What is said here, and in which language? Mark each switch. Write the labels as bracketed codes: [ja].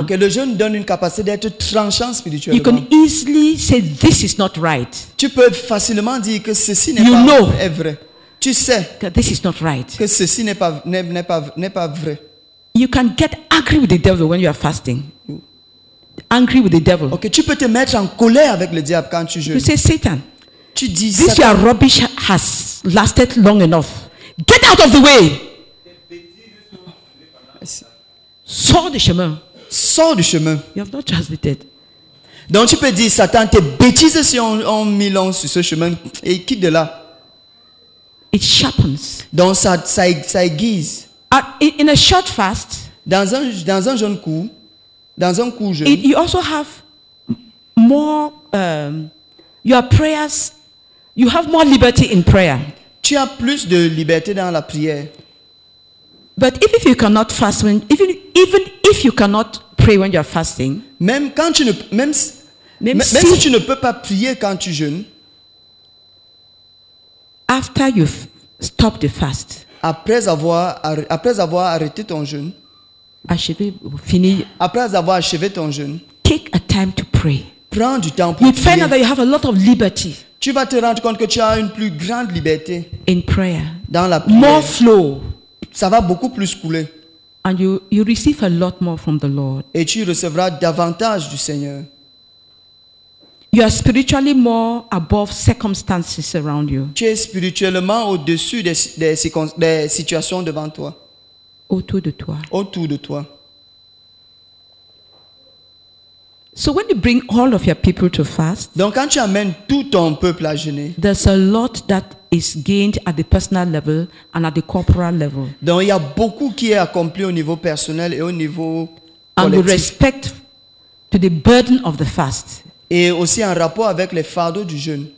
[fr] Okay, le jeûne donne une capacité d'être tranchant spirituellement. [en] You can easily say this is not right. [fr] Tu peux facilement dire que ceci n'est pas vrai. Tu sais [en] that this is not right. [fr] Que ceci n'est pas vrai. [en] You can get angry with the devil when you are fasting. Angry with the devil. [fr] Okay, tu peux te mettre en colère avec le diable quand tu jeûnes. [en] You say Satan. [fr] Tu dis [en] this [fr] Satan, [en] your rubbish has lasted long enough. Get out of the way. [fr] Sors du chemin. [en] You have not translated. [fr] Donc tu peux dire Satan, tes bêtises si on mis long sur ce chemin et quitte de là. [en] It sharpens. [fr] Donc ça aiguise. [en] In a short fast. [fr] Dans un jeûne court. [en] You also have more. Your prayers. You have more liberty in prayer. [fr] Tu as plus de liberté dans la prière. [en] But if you cannot fast when even if you cannot pray when you are fasting, [fr] même si tu ne peux pas prier quand tu jeûnes, [en] after you've stopped the fast, [fr] après avoir arrêté ton jeûne, après avoir achevé ton jeûne, [en] take a time to pray. [fr] Prends du temps pour prier. [en] You find that you have a lot of liberty. [fr] Tu vas te rendre compte que tu as une plus grande liberté [en] in prayer. [fr] Dans la prière. [en] More flow. [fr] Ça va beaucoup plus couler. [en] And you receive a lot more from the Lord. [fr] Et tu recevras davantage du Seigneur. [en] You are spiritually more above circumstances around you. [fr] Tu es spirituellement au-dessus des situations devant toi. Autour de toi. [en] So when you bring all of your people to fast, [fr] donc quand tu amènes tout ton peuple à jeûner, [en] there's a lot that is gained at the personal level and at the corporal level. [fr] Donc il y a beaucoup qui est accompli au niveau personnel et au niveau collectif. [en] And with respect to the burden of the fast. [fr] Et aussi en rapport avec les fardeaux du jeûne.